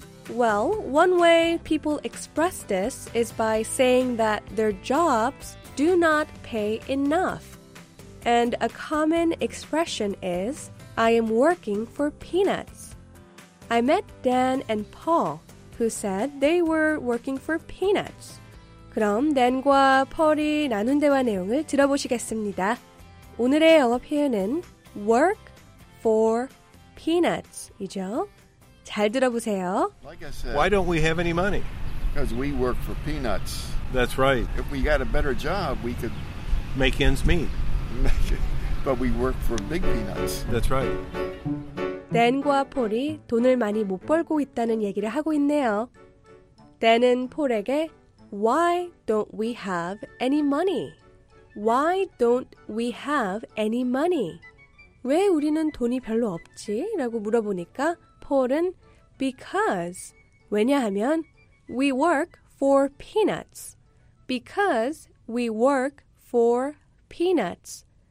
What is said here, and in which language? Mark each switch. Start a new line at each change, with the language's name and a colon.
English: Well, one way people express this is by saying that their jobs do not pay enough. And a common expression is, I am working for peanuts. I met Dan and Paul, who said they were working for peanuts.
Korean: 그럼 댄과 펄이 나눈 대화 내용을 들어보시겠습니다. 오늘의 영어 표현은
English: work for peanuts
Korean: 이죠. 잘 들어보세요.
English: Like I said, why don't we have any money? Because we work for peanuts. That's right. If we got a better job, we could make ends meet. But we work for big peanuts. That's right.
Korean: 댄과 폴이 돈을 많이 못 벌고 있다는 얘기를 하고 있네요. 댄은 폴에게
English: Why don't we have any money? Why don't we have any money?
Korean: 왜 우리는 돈이 별로 없지? 라고 물어보니까 폴은
English: Because,
Korean: 왜냐하면
English: We work for peanuts. Because we work for peanuts.